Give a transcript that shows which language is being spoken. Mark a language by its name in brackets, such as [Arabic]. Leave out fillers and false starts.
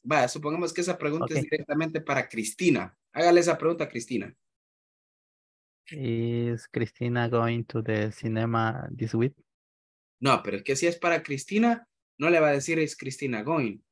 [Spanish] Vaya, supongamos que esa pregunta okay. Es directamente para Cristina. Hágale esa pregunta a Cristina. [English] Is Cristina going to the cinema this week? [Spanish] No, pero es que si es para Cristina, no le va a decir [English] is Cristina going.